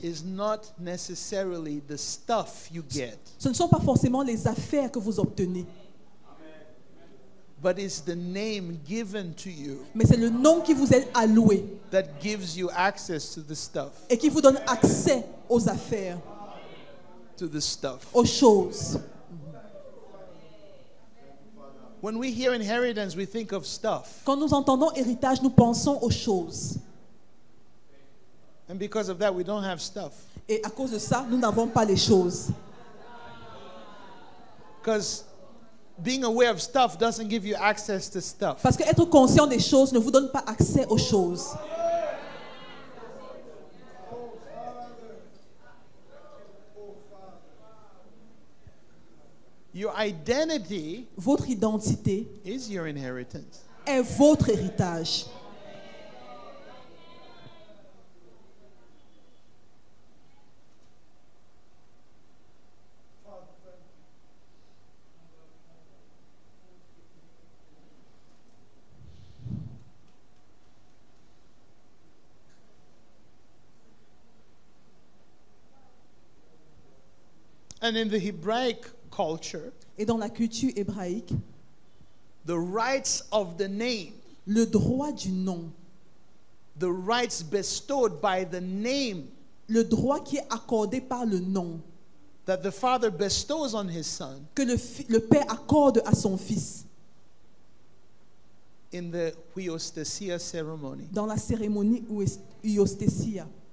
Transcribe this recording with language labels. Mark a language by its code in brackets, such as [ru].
[en] is not necessarily the stuff you get. [fr] Ce ne sont pas forcément les affaires que vous obtenez. [en] But it's the name given to you. [fr] Mais c'est le nom qui vous est alloué. [en] That gives you access to the stuff. [fr] Et qui vous donne accès aux affaires. [en] to this stuff. [fr] Aux choses. [en] When we hear inheritance, we think of stuff. [fr] Quand nous entendons héritage, nous pensons aux choses. [en] And because of that, we don't have stuff. [fr] Et à cause de ça, nous n'avons pas les choses. [en] Because being aware of stuff doesn't give you access to stuff. [fr] Parce que être conscient des choses ne vous donne pas accès aux choses. [en] Your identity, [fr] votre identité, [en] is your inheritance. [fr] Est votre héritage. [en] And in the Hebraic culture, [fr] et dans la culture hébraïque, [en] the rights of the name, [fr] le droit du nom, [en] the rights bestowed by the name, [fr] le droit qui est accordé par le nom, [en] that the father bestows on his son, [fr] que le père accorde à son fils, [en] in the huiostasia ceremony, [fr] dans la cérémonie huiostasia,